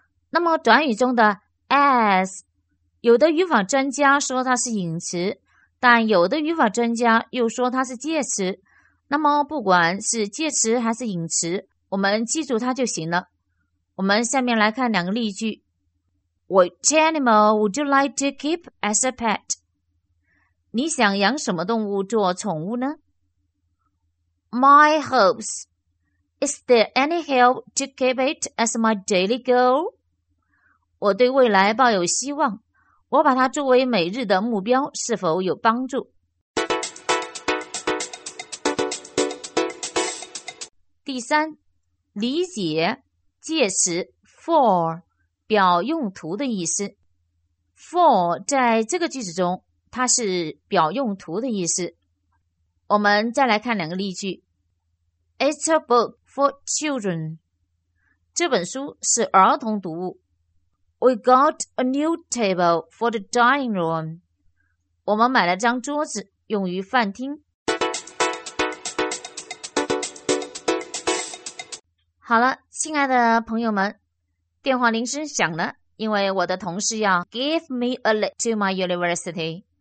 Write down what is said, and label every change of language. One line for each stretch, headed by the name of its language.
Chinese: 那么短语中的 as， 有的语法专家说它是引词，但有的语法专家又说它是介词。那么不管是介词还是引词，我们记住它就行了。我们下面来看两个例句。
English: What animal would you like to keep as a pet?
Chinese: 你想养什么动物做宠物呢？
English: My hopes. Is there any help to keep it as my daily goal?
Chinese: 我对未来抱有希望，我把它作为每日的目标，是否有帮助？第三，理解介词 for 表用途的意思。 for 在这个句子中它是表用途的意思。我们再来看两个例句。
English: It's a book for children.
Chinese: 这本书是儿童读物。
English: We got a new table for the dining room.
Chinese: 我们买了张桌子用于饭厅。好了，亲爱的朋友们，电话铃声响了，因为我的同事要
English: give me a lift to my university。